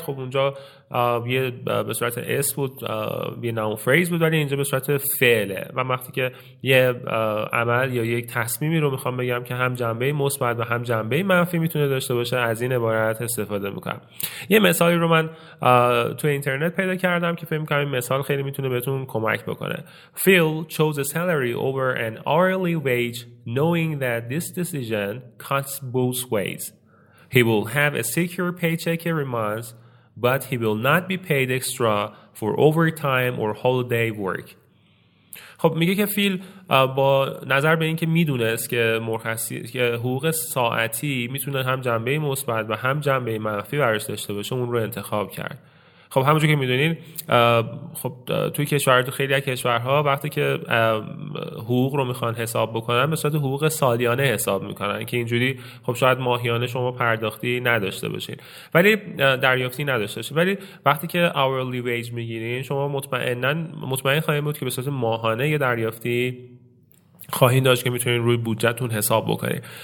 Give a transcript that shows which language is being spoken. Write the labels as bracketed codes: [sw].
[fa] خب اونجا یه به صورت اس بود، یه [en] نام فریز [fa] بود، ولی اینجا به صورت فعله و وقتی که یه عمل یا یک تصمیمی رو میخوام بگم که هم جنبه مثبت و هم جنبه منفی میتونه داشته باشه، از این عبارت استفاده میکنم. یه مثالی رو من تو اینترنت پیدا کردم که فکر میکنم این مثال خیلی میتونه بهتون کمک بکنه. [en] Phil chose a salary over an hourly wage knowing that this decision cuts both ways. He will have a secure paycheck every month, but he will not be paid extra for overtime or holiday work. [fa] خب میگه که فیل با نظر به این که میدونست که مرخصی که حقوق ساعتی میتونه هم جنبه مثبت و هم جنبه منفی براش داشته باشه، اون رو انتخاب کرد. خب همونجور که میدونین خب توی کشور خیلی از کشورها وقتی که حقوق رو میخوان حساب بکنن به صورت حقوق سالیانه حساب میکنن که اینجوری خب شاید ماهیانه شما پرداختی نداشته باشین، ولی دریافتی نداشته باشین، ولی وقتی که hourly wage میگیرین شما مطمئن خواهید بود که به صورت ماهانه یه دریافتی خواهید داشت که میتونین روی بودجهتون حساب بکنین.